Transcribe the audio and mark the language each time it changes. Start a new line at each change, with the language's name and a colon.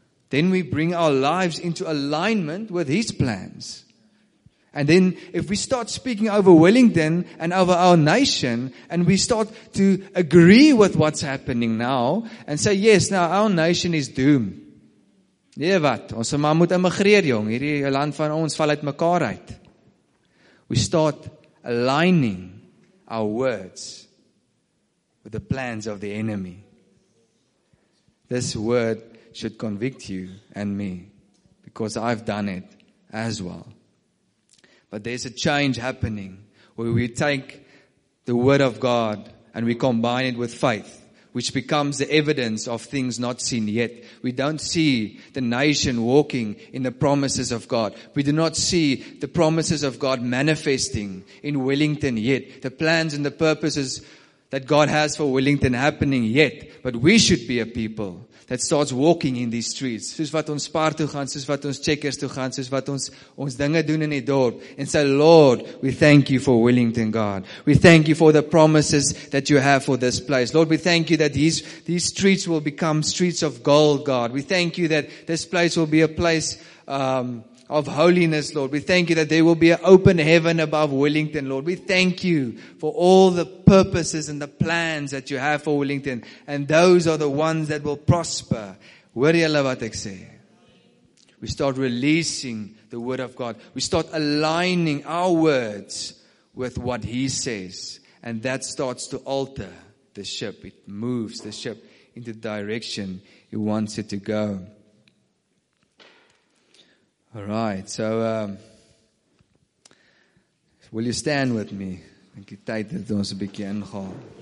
English: Then we bring our lives into alignment with his plans. And then if we start speaking over Wellington and over our nation, and we start to agree with what's happening now, and say, yes, now our nation is doomed.
Afrikaans: Nee wat, ons maar moet immigreer jong, hierdie land van ons val uit mekaar uit.
English: We start aligning our words with the plans of the enemy. This word should convict you and me, because I've done it as well. But there's a change happening where we take the word of God and we combine it with faith, which becomes the evidence of things not seen yet. We don't see the nation walking in the promises of God. We do not see the promises of God manifesting in Wellington yet. The plans and the purposes that God has for Wellington happening yet. But we should be a people that starts walking in these streets.
Afrikaans: Soos wat ons spaar toe gaan, soos wat ons checkers toe gaan, soos wat ons dinge doen in die dorp.
English: And say, Lord, we thank you for Wellington, God. We thank you for the promises that you have for this place. Lord, we thank you that these streets will become streets of gold, God. We thank you that this place will be a place of holiness, Lord. We thank you that there will be an open heaven above Wellington, Lord. We thank you for all the purposes and the plans that you have for Wellington. And those are the ones that will prosper. We start releasing the word of God. We start aligning our words with what he says. And that starts to alter the ship. It moves the ship into the direction he wants it to go. All right, so will you stand with me?
Afrikaans: Ek het tyd dat ons 'n bietjie ingaan.